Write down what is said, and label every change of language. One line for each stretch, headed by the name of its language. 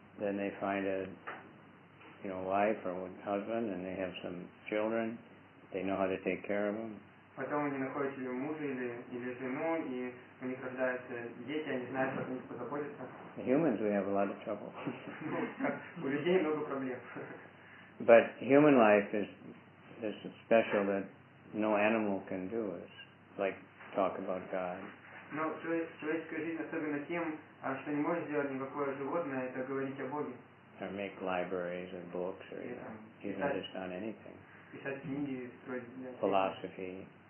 English: Then they find a, you know, wife or husband, and they have some children. They know how to take care of them.
Russian: Потом они находят себе мужа или жену, и у них рождаются дети, они знают, как о них позаботиться.
English: The humans, we have a lot of trouble.
Russian: У людей много проблем.
English: But human life is special that no animal can do is like talk about God.
Russian: Но человеческая жизнь особенно тем, что не может сделать никакое животное, это говорить о Боге.
English: Or make libraries and books or even just on anything. Philosophy.